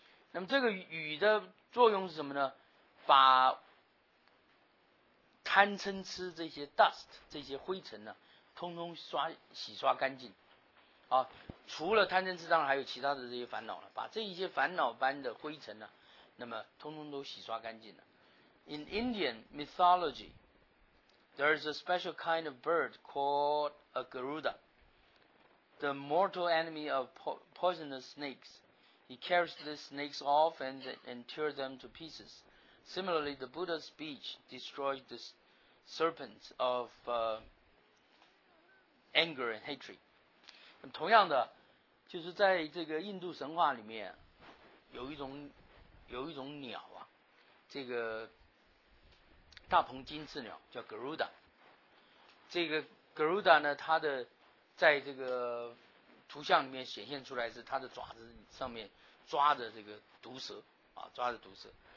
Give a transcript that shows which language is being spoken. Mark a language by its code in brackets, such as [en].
[zh] 那么这个雨的作用是什么呢？把贪嗔痴这些 dust, 这些灰尘呢、啊、通通洗刷干净。啊，除了贪嗔痴，当然还有其他的这些烦恼了。把这一些烦恼般的灰尘呢、啊，那么通通都洗刷干净了。 [en] In Indian mythology, there is a special kind of bird called a Garuda, the mortal enemy of poisonous snakes. He carries the snakes off and tears them to pieces. Similarly, the Buddha's speech destroys the serpents of anger and hatred. [zh] 同样的，就是在这个印度神话里面，有一种鸟啊，这个大鹏金翅鸟叫 Garuda。这个 Garuda 呢，它的在这个图像里面显现出来是它的爪子上面抓着这个毒蛇啊，抓着毒蛇。